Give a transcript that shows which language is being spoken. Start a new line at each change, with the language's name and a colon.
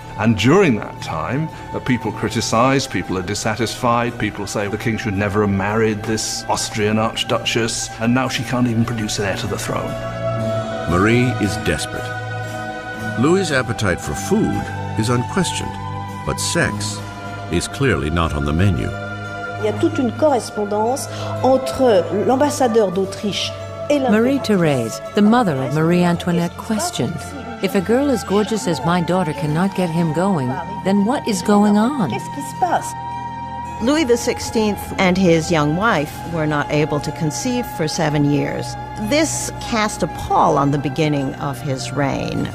English: And during that time, people criticize, people are dissatisfied, people say the king should never have married this Austrian archduchess, and now she can't even produce an heir to the throne. Marie is desperate. Louis's appetite for food is unquestioned, but sex is clearly not on the menu.
French: Il y a toute une correspondance entre l'ambassadeur d'Autriche et la
English: Marie Thérèse, the mother of Marie Antoinette, questioned, if a girl as gorgeous as my daughter cannot get him going, then what is going on?
French: Qu'est-ce qui se passe?
English: Louis XVI and his young wife were not able to conceive for 7 years. This cast a pall on the beginning of his reign.